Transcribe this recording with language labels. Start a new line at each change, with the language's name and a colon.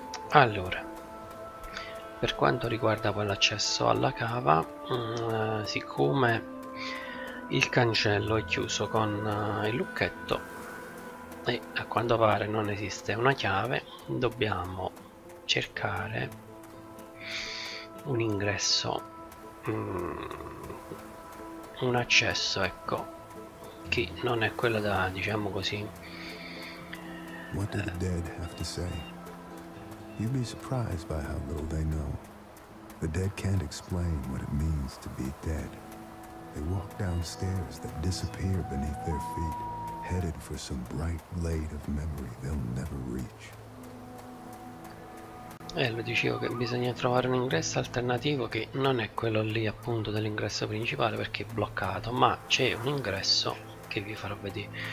Italian: Allora, per quanto riguarda quell'accesso alla cava, siccome il cancello è chiuso con il lucchetto e a quanto pare non esiste una chiave, dobbiamo cercare un ingresso, un accesso, ecco, che non è quello da, diciamo così.
English: What do the dead have to say? You'd be surprised by how little they know. The dead can't explain what it means to be dead. They walk down stairs that disappear beneath their feet, headed for some bright blade of memory they'll never reach.
Italian: Lo dicevo che bisogna trovare un ingresso alternativo, che non è quello lì appunto dell'ingresso principale perché è bloccato, ma c'è un ingresso che vi farò vedere.